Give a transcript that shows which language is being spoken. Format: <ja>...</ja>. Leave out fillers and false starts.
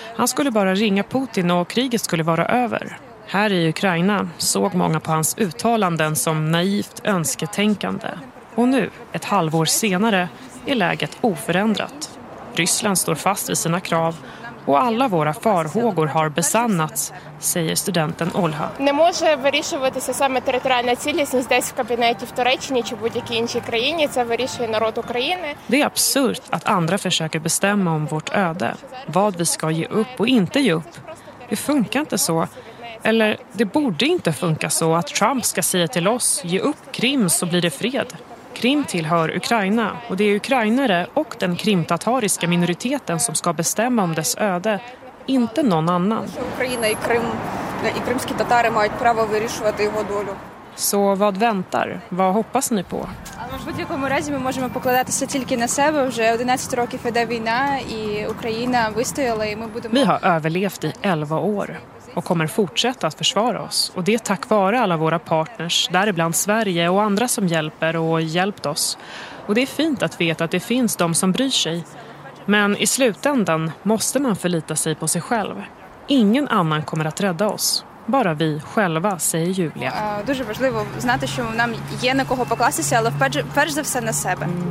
<sv>Han skulle bara ringa Putin och kriget skulle vara över. Här i Ukraina såg många på hans uttalanden som naivt önsketänkande. Och nu, ett halvår senare, är läget oförändrat. Ryssland står fast vid sina krav och alla våra farhågor har besannats, säger studenten Olha.</sv> <uk>Не може вирішуватися саме територіальна цілісність десь в кабінеті в Туреччині чи будь-якій іншій країні, це вирішує народ України.</uk> <sv>Det är absurt att andra försöker bestämma om vårt öde, vad vi ska ge upp och inte ge upp. Det funkar inte så. Eller det borde inte funka så att Trump ska säga till oss, ge upp Krim så blir det fred. Krim tillhör Ukraina och det är ukrainare och den krimtatariska minoriteten som ska bestämma om dess öde, inte någon annan. Ukraina och Krim och krimska tatarer har rätt att avgöra deras öde. Så vad väntar? Vad hoppas ni på? Vi</sv> <uk>можемо покладатися тільки на себе. Вже 11 років іде війна і Україна вистояла і ми будемо.</uk> <sv>Vi har överlevt i 11 år. Och kommer fortsätta att försvara oss. Och det är tack vare alla våra partners, däribland Sverige och andra som hjälper och hjälpt oss. Och det är fint att veta att det finns de som bryr sig. Men i slutändan måste man förlita sig på sig själv. Ingen annan kommer att rädda oss. Bara vi själva, säger Julia.</sv> <uk>Дуже важливо знати, що нам є на кого покластися, але перш за все на себе.</uk>